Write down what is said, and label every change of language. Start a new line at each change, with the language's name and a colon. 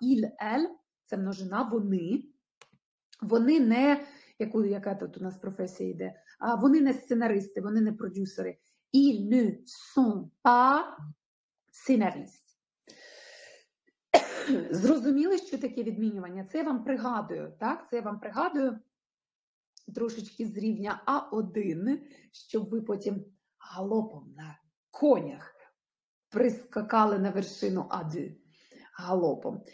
Ukrainian: «Il», «el» – це множина, «вони». Вони не, якою, яка тут у нас професія йде, а вони не сценаристи, вони не продюсери.
French: Ils ne sont pas scénaristes.
Ukrainian: Зрозуміли, що таке відмінювання? Це я вам пригадую, так? Це я вам пригадую трошечки з рівня А1, щоб ви потім галопом на конях прискакали на вершину А2. Галопом.